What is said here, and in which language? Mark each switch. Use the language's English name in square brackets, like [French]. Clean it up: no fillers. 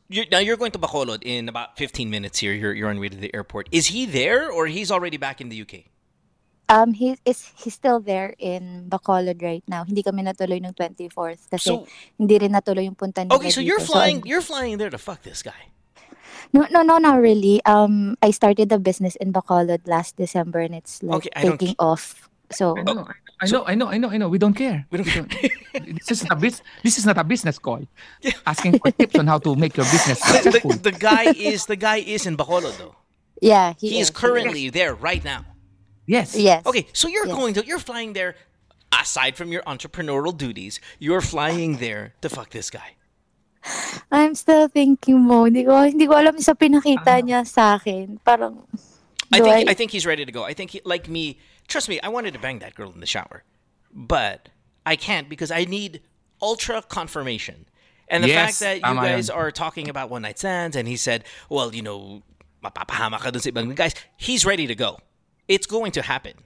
[English] You're going to Bacolod in about 15 minutes here. You're on way to the airport. Is he there or he's already back in the UK? He's still there in Bacolod right now. [Filipino] Hindi kami natuloy ng 24th kasi hindi rin natuloy yung punta niya. [English] Okay, so you're flying there to fuck this guy. No, not really. I started the business in Bacolod last December and it's like taking off. So I know. We don't care. This is not a business, Koy. Asking for tips on how to make your business successful. The guy is in Bacolod though. Yeah, he is currently there right now. Yes. Yes. Okay, so you're flying there, aside from your entrepreneurial duties, you're flying there to fuck this guy. I'm still thinking mo. [Filipino] Hindi ko alam sa pinakita niya sa akin. Parang, [English] I think he's ready to go. I think he, like me, trust me, I wanted to bang that girl in the shower. But I can't because I need ultra confirmation. And the fact that you guys are talking about one night stands and he said, well, you know, [Filipino] mapapahama ka dun sa ibang guys, [English] he's ready to go. It's going to happen.